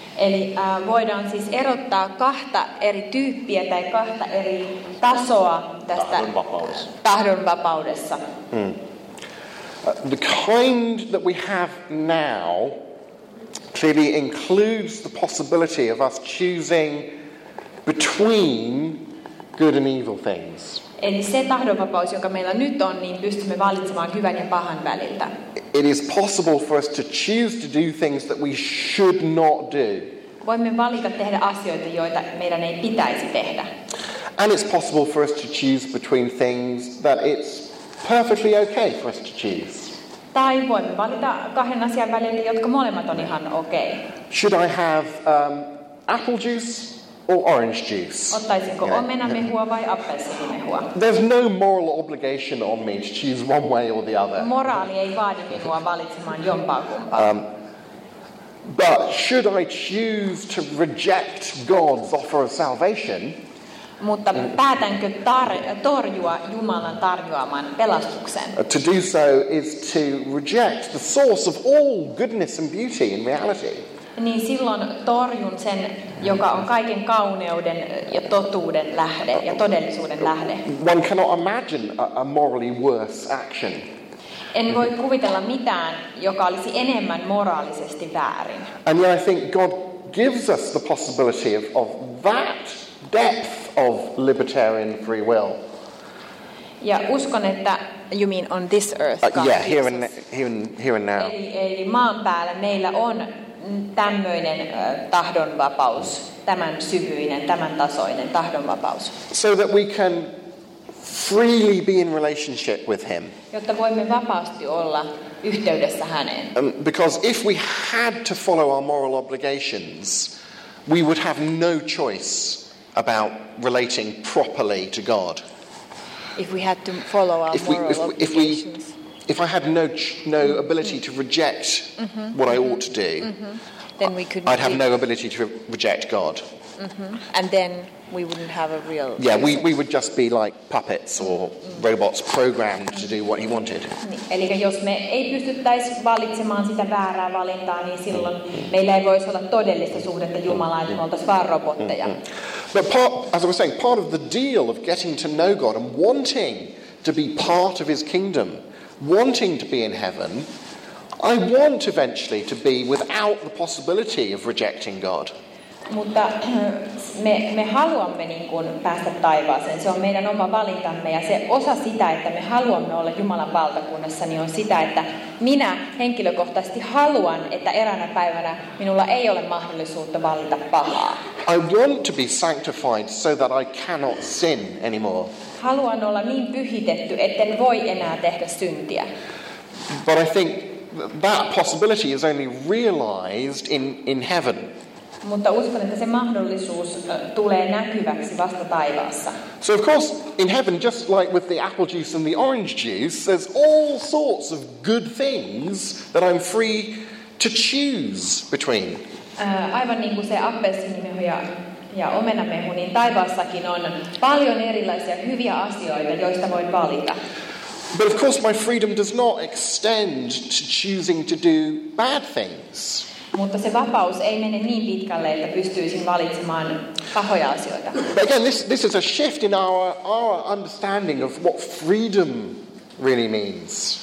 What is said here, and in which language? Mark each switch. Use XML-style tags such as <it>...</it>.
<fi>Eli voidaan siis erottaa kahta eri tyyppiä tai kahta eri tasoa tästä tahdonvapaudessa.</fi> <en>The kind that we have now clearly includes the possibility of us choosing between good and evil things.</en> <fi>Eli se tahdonvapaus, jonka meillä nyt on, niin pystymme valitsemaan hyvän ja pahan väliltä.</fi> <en>It is possible for us to choose to do things that we should not do.</en> <fi>Voimme valita tehdä asioita, joita meidän ei pitäisi tehdä.</fi> <en>And it's possible for us to choose between things that it's perfectly okay for us to choose.</en> <fi>Tai voimme valita kahden asian välillä, jotka molemmat on ihan okei.</fi> <en>Should I have apple juice? Or orange juice.</en> <fi>Ottaisinko omenamehua vai appelsiinimehua?</fi> <en>There's no moral obligation on me to choose one way or the other.</en> <fi>Moraali ei vaadi minua valitsemaan jompaa kumpaa.</fi> <en>But should I choose to reject God's offer of salvation?</en> <fi>Mutta päätänkö torjua Jumalan tarjoaman pelastuksen?</fi> <en>To do so is to reject the source of all goodness and beauty in reality.</en> <fi>Niin silloin torjun sen, joka on kaiken kauneuden ja totuuden lähde ja todellisuuden lähde.</fi> <en>One cannot imagine a morally worse action.</en> <fi>En voi kuvitella mitään, joka olisi enemmän moraalisesti väärin.</fi> <en>And yet I think God gives us the possibility of that depth of libertarian free will.</en> <fi>Ja uskon, että</fi> <en>you mean on this earth. Yeah, here and now.</en> <fi>Eli maan päällä meillä on tämmöinen tahdonvapaus, tämän syvyinen, tämän tasoinen tahdonvapaus.</fi> <en>So that we can freely be in relationship with him.</en> <fi>Jotta voimme vapaasti olla yhteydessä häneen.</fi> <en>Because if we had to follow our moral obligations, we would have no choice about relating properly to God. If we had to follow our moral obligations. If I had no ability to reject what I ought to do, then we could. I'd have no ability to reject God. Mm-hmm. And then we wouldn't have a real. Yeah, we would just be like puppets or robots programmed to do what he wanted.</en> <fi>Eli jos me ei pystyttäisi valitsemaan sitä väärää valintaa, niin silloin meillä ei voisi olla todellista suhdetta Jumalaan, että me oltaisiin vaan robotteja.</fi> <en>But part, as I was saying, part of the deal of getting to know God and wanting to be part of his kingdom, wanting to be in heaven, I want eventually to be without the possibility of rejecting God.</en> <fi>Mutta me haluamme niin kuin päästä taivaaseen. Se on meidän oma valintamme ja se osa sitä, että me haluamme olla Jumalan valtakunnassa, niin on sitä, että minä henkilökohtaisesti haluan, että eräänä päivänä minulla ei ole mahdollisuutta valita pahaa.</fi> <en>I want to be sanctified so that I cannot sin anymore.</en> <fi>Haluan olla niin pyhitetty, etten voi enää tehdä syntiä.</fi> <en>But I think that possibility is only realized in heaven.</en> <fi>Mutta uskon, että se mahdollisuus tulee näkyväksi vasta taivaassa.</fi> <en>So of course, in heaven, just like with the apple juice and the orange juice, there's all sorts of good things that I'm free to choose between.</en> <fi>Aivan niin kuin se appelsiinimehu ja omenamehu, niin taivaassakin on paljon erilaisia hyviä asioita, joista voin valita.</fi> <en>But of course, my freedom does not extend to choosing to do bad things.</en> <fi>Mutta se vapaus ei mene niin pitkälle, että pystyisin valitsemaan pahoja asioita.</fi> <en>But again, this is a shift in our understanding of what freedom really means.</en>